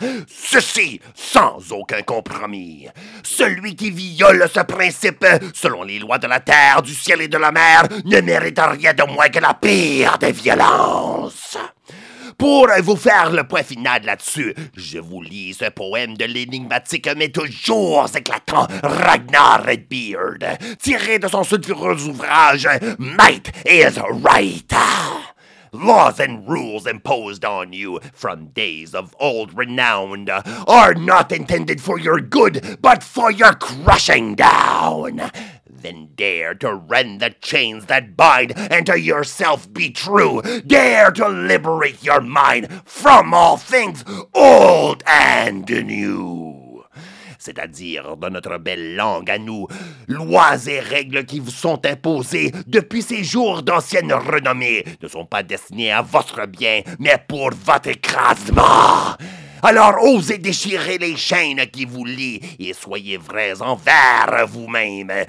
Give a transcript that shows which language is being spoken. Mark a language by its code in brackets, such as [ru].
[fr] Ceci, sans aucun compromis. Celui qui viole ce principe, selon les lois de la terre, du ciel et de la mer, ne mérite rien de moins que la pire des violences. Pour vous faire le point final là-dessus, je vous lis ce poème de l'énigmatique mais toujours éclatant Ragnar Redbeard, tiré de son sulfureux ouvrage « Might is Right ». [en] Laws and rules imposed on you from days of old renown are not intended for your good, but for your crushing down. Then dare to rend the chains that bind, and to yourself be true. Dare to liberate your mind from all things old and new. [fr] C'est-à-dire, dans notre belle langue à nous, lois et règles qui vous sont imposées depuis ces jours d'ancienne renommée ne sont pas destinées à votre bien, mais pour votre écrasement. Alors osez déchirer les chaînes qui vous lient et soyez vrais envers vous-même.